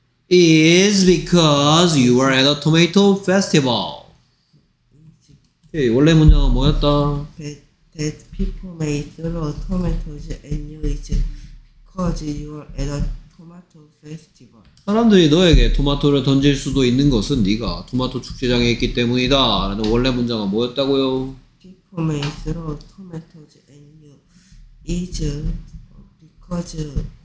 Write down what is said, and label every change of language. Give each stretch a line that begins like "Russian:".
English: Is because you are at a tomato festival.
Korean: Okay, 원래 문장은 뭐였다?
English: That people may throw tomatoes at you is because you are at a tomato festival.
Korean: 사람들이 너에게 토마토를 던질 수도 있는 것은 네가 토마토 축제장에 있기 때문이다. 라는 원래 문장은 뭐였다고요?
English: People may throw tomatoes at you is because